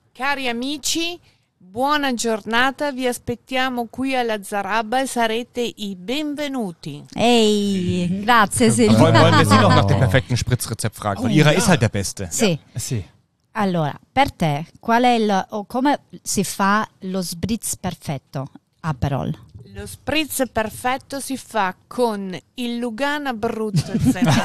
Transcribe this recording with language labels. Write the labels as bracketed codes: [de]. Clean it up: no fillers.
[it] Cari amici, buona giornata, vi aspettiamo qui alla Zarabba e sarete i benvenuti. Ehi, grazie Silvia. [de] Wollen wir Sie noch nach dem perfekten Spritzrezept fragen? Und Ihrer ist halt der Beste. [it] Sì. Sì. Allora, per te, qual è come si fa lo spritz perfetto Aperol? Lo spritz perfetto si fa con il Lugano Abruzzo. Okay.